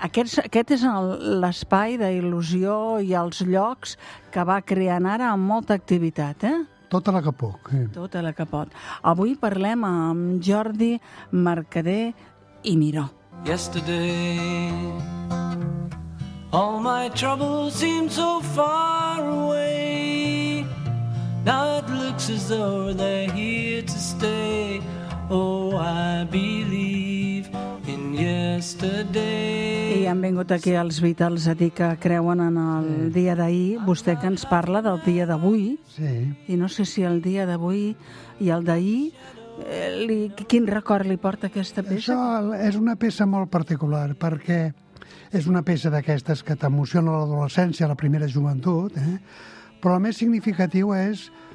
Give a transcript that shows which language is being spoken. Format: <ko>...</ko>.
<ca>Aquest és l'espai d'il·lusió i els llocs que va creant ara amb molta activitat, Tota la que puc. Tota la que pot. Avui parlem amb Jordi Mercader i Miró.</ca> <en>Yesterday, all my troubles seem so far away. Now it looks as though they're here to stay. Oh, I believe in yesterday.</en> <ca>I han vingut aquí els Beatles a dir que creuen en el dia d'ahir. Vostè que ens parla del dia d'avui. Sí. I no sé si el dia d'avui i el d'ahir, quin record li porta aquesta peça? Això és una peça molt particular, perquè és una peça d'aquestes que t'emociona l'adolescència, la primera joventut, Però el més significatiu és</ca>